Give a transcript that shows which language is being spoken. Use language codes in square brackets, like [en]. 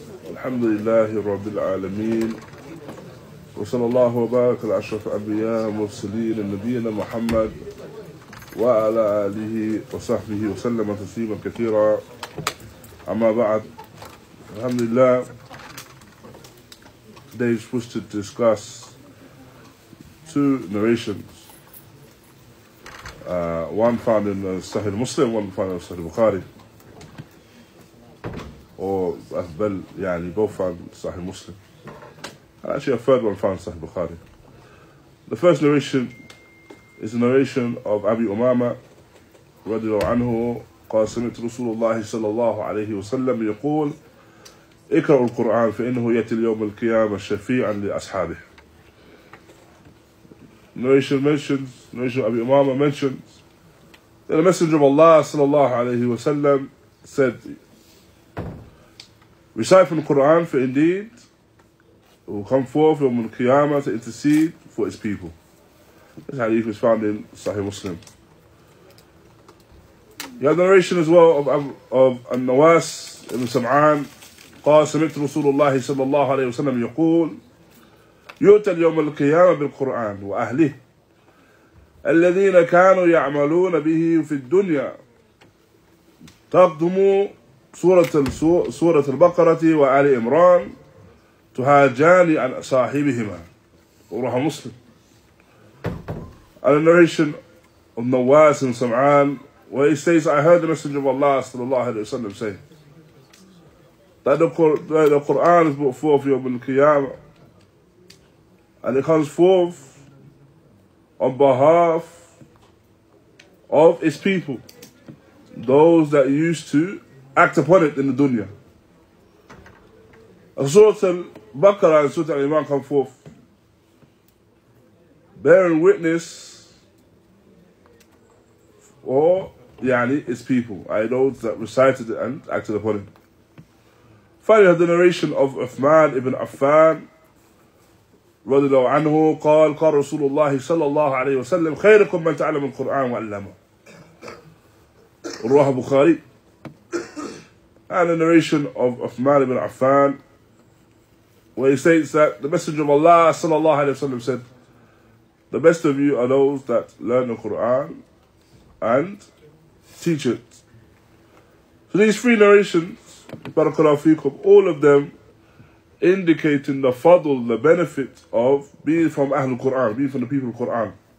[ar] الحمد لله رب العالمين، وصلى الله وبارك على اشرف الانبياء والمرسلين نبينا محمد وعلى اله وصحبه وسلم تسليما كثيرا. اما بعد، الحمد لله. [en] Today is supposed to discuss two narrations. One found in Sahih Muslim, one found in Sahih Bukhari. Or both found in Sahih Muslim. And actually a third one found in Sahih Bukhari. The first narration is a narration of Abi Umama radiallahu anhu. [ar] قال سمعت رسول الله صلى الله عليه وسلم يقول اقرأ القرآن فإنه يأتي اليوم القيامة شفيعا لأصحابه. [en] Narration Abi Umama mentions that the Messenger of Allah [ar] صلى الله عليه وسلم [en] said, recite from the Quran, for indeed it will come forth [ar] يوم القيامة [en] to intercede for its people. This hadith is found in Sahih Muslim. You have the narration as well of Al-Nawas ibn Sam'an. [ar] قال سمعت رسول الله صلى الله عليه وسلم يقول يؤتى اليوم القيامة بالقرآن وأهله الذين كانوا يعملون به في الدنيا تقدموا سورة البقرة وآل عمران تهاجان عن صاحبهما وروح مسلم. [en] And a narration of Nawas and Sam'an, where he says, I heard the Messenger of Allah sallallahu alayhi wa sallam say that the Quran is brought forth yawm al-qiyamah, and it comes forth on behalf of its people, those that used to act upon it in the dunya. Surah al-Baqarah and Surah al-Imran come forth bearing witness or يعني its people, I know that recited it and acted upon it. Finally, the narration of Uthman ibn Affan [ar] رضي الله عنه قال قال رسول الله صلى الله عليه وسلم خيركم من تعلم القرآن وعلمه رواه البخاري. [en] And the narration of Uthman ibn Affan, where he states that the Messenger of Allah [ar] صلى الله عليه وسلم [en] said, the best of you are those that learn the Quran and teach it. So these three narrations, barakallahu feekum, all of them indicating the fadl, the benefit of being from Ahlul Quran, being from the people of Quran.